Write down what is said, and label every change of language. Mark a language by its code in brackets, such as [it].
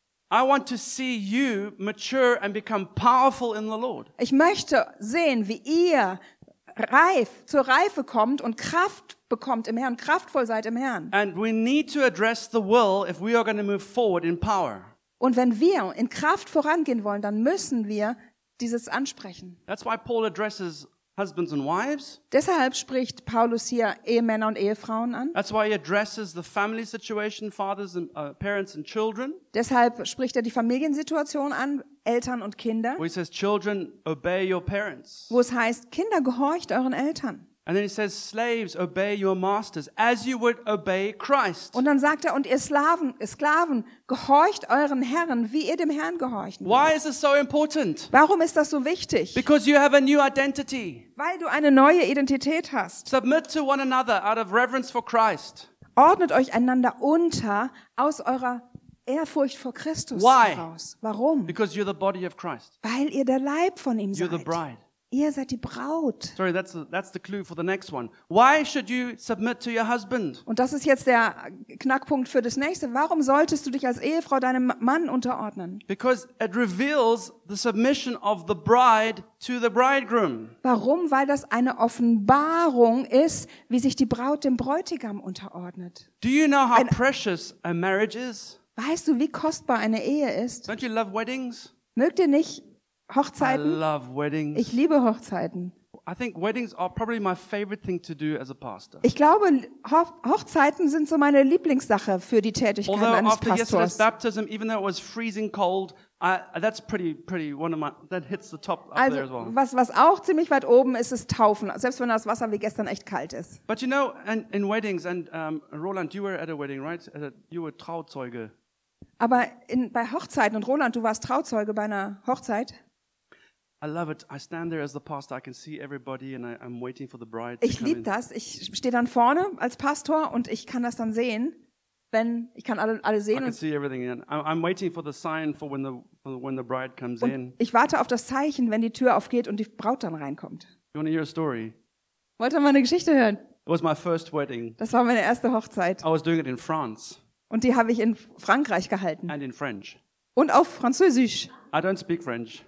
[en] I want to see you mature and become powerful in the Lord. [de] Ich möchte sehen, wie ihr reif zur Reife kommt und Kraft bekommt im Herrn, kraftvoll seid im Herrn. [en] And we need to address the will if we are going to move forward in power. [de] Und wenn wir in Kraft vorangehen wollen, dann müssen wir dieses ansprechen. [en] That's why Paul addresses husbands and wives. [de] Deshalb spricht Paulus hier Ehemänner und Ehefrauen an. [en] That's why he addresses the family situation, fathers and parents and children. [de] Deshalb spricht er die Familiensituation an, Eltern und Kinder. [en] Where he says, children, obey your parents. [de] Wo es heißt, Kinder, gehorcht euren Eltern. [en] And then he says, slaves, obey your masters, as you would obey Christ. [de] Und dann sagt er, und ihr Sklaven, gehorcht euren Herren, wie ihr dem Herrn gehorcht. [en] Why is this so important? [de] Warum ist das so wichtig? [en] Because you have a new identity. [de] Weil du eine neue Identität hast. [en] Submit to one another out of reverence for Christ. [de] Ordnet euch einander unter aus eurer Ehrfurcht vor Christus heraus. Warum? [en] Because you're the body of Christ. [de] Weil ihr der Leib von ihm seid. [en] You're the bride. [de] Ihr seid die Braut. [en] Sorry, that's the clue for the next one. Why should you submit to your husband? [de] Und das ist jetzt der Knackpunkt für das nächste. Warum solltest du dich als Ehefrau deinem Mann unterordnen? [en] Because it reveals the submission of the bride to the bridegroom. [de] Warum? Weil das eine Offenbarung ist, wie sich die Braut dem Bräutigam unterordnet. [en] Do you know how precious a marriage is? [de] Weißt du, wie kostbar eine Ehe ist? [en] Don't you love weddings? [de] Mögt ihr nicht Hochzeiten? [en] I love weddings. [de] Ich liebe Hochzeiten. [en] I think weddings are probably my favorite thing to do as a pastor. [de] Ich glaube, Hochzeiten sind so meine Lieblingssache für die Tätigkeit [en] Although [de] eines Pastors. [en] Although after yesterday's baptism, even though it was freezing cold, that's pretty one of my that hits the top up [de] also, [en] there as well. [de] Also was auch ziemlich weit oben ist, ist Taufen. Selbst wenn das Wasser wie gestern echt kalt ist. [en] But you know, and in weddings and Roland, you were at a wedding, right? You were Trauzeuge. [de] Aber bei Hochzeiten, und Roland, du warst Trauzeuge bei einer Hochzeit. [en] I love it. I stand there as the pastor. I can see everybody and I'm waiting for the bride. [de] Ich liebe das. Ich stehe dann vorne als Pastor und ich kann das dann sehen, wenn ich kann alle sehen. [en] I can see everything. I'm waiting for the sign for when the bride comes in. [de] Ich warte auf das Zeichen, wenn die Tür aufgeht und die Braut dann reinkommt. [en] You want to hear a story? [de] Wollt ihr mal eine Geschichte hören? [en] It was my first wedding. [de] Das war meine erste Hochzeit. [en] I was doing it in France. [de] Und die habe ich in Frankreich gehalten. [en] And in French. [de] Und auf Französisch. [en] I don't speak French.